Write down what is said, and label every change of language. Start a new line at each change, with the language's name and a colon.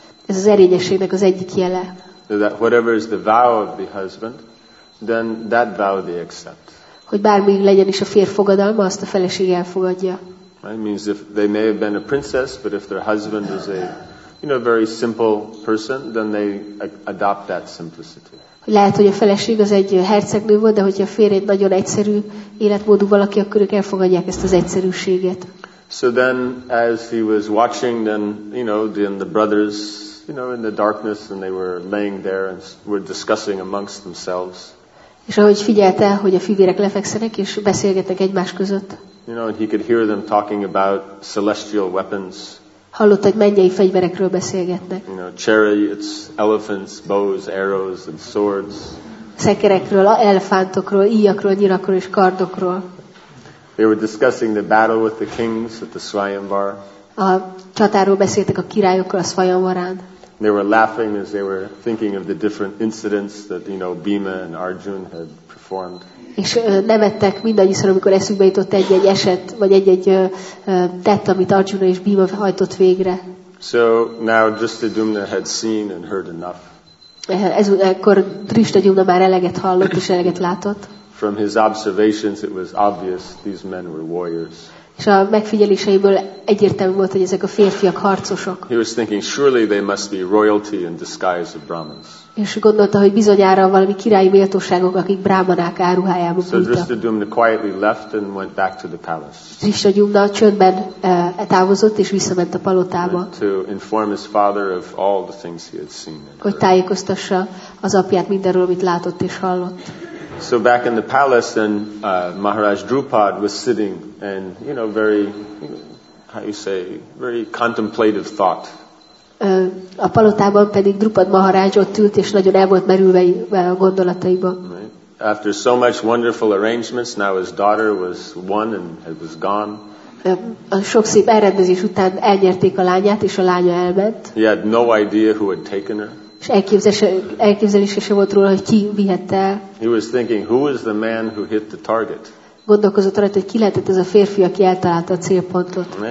Hungarian: Ez az erényességnek az egyik jele.
English: That whatever is the vow of the husband, then that vow they accept.
Hungarian: Hogy bármi legyen is a férj fogadalma, azt a feleség elfogadja.
English: Right? Means if they may have been a princess, but if their husband is a, you know, very simple person, then they adopt that simplicity.
Hungarian: Lehet, hogy a feleség az egy hercegnő volt, de hogyha a férj egy nagyon egyszerű életmódú valaki, akkor ők elfogadják ezt az egyszerűséget.
English: So then, as he was watching, then, you know, then the brothers, you know, in the darkness, and they were laying there and were discussing amongst themselves.
Hungarian: És ahogy figyelte, hogy a fivérek lefekszenek és beszélgetnek egymás között.
English: You know, and he could hear them talking about celestial weapons.
Hungarian: Hallott, hogy mennyei fegyverekről beszélgetnek.
English: You know, chariots, elephants, bows, arrows, and swords.
Hungarian: Szekerekről, elefántokról, íjakról, nyirakról és kardokról.
English: They were discussing the battle with the kings at the Svayamvar.
Hungarian: A csatáról beszéltek a királyokkal a Svayamvarán.
English: They were laughing as they were thinking of the different incidents that, you know, Bhima and Arjun had performed.
Hungarian: És nevettek mindannyiszor, amikor eszükbe jutott egy-egy eset, vagy egy-egy tett, amit Arjuna és Bhima hajtott végre.
English: So now Drishtadyumna had seen and heard enough.
Hungarian: Ekkor Drishtadyumna már eleget hallott és eleget látott.
English: From his observations it was obvious these men were warriors.
Hungarian: És a megfigyeléseiből egyértelmű volt, hogy ezek a férfiak harcosok.
English: He was thinking surely they must be royalty in disguise of Brahmins.
Hungarian: És gondolta, hogy bizonyára valami királyi méltóságok, akik brahmanák áruhájában bújtak.
English: So Drishtadyumna quietly left and went back to the palace.
Hungarian: Drishtadyumna csöndben távozott és visszament a palotába.
English: To inform his father of all the things he had seen.
Hungarian: Hogy tájékoztassa az apját mindenről, amit látott és hallott.
English: So back in the palace, and Maharaj Drupad was sitting, and you know, very, how you say, very contemplative thought.
Hungarian: A palotában pedig Drupad Maharaj ott ült, és nagyon el volt merülve a gondolataiban.
English: After so much wonderful arrangements, now his daughter was won and it was gone.
Hungarian: A sok szép elrendezés után elnyerték a lányát, és a lánya elment.
English: He had no idea who had taken her.
Hungarian: És elképzelése sem volt róla, hogy ki vihette el.
English: He was thinking, who is the man who hit the target?
Hungarian: Gondolkozott rajta, hogy ki lehetett ez a férfi, aki eltalálta a célpontot.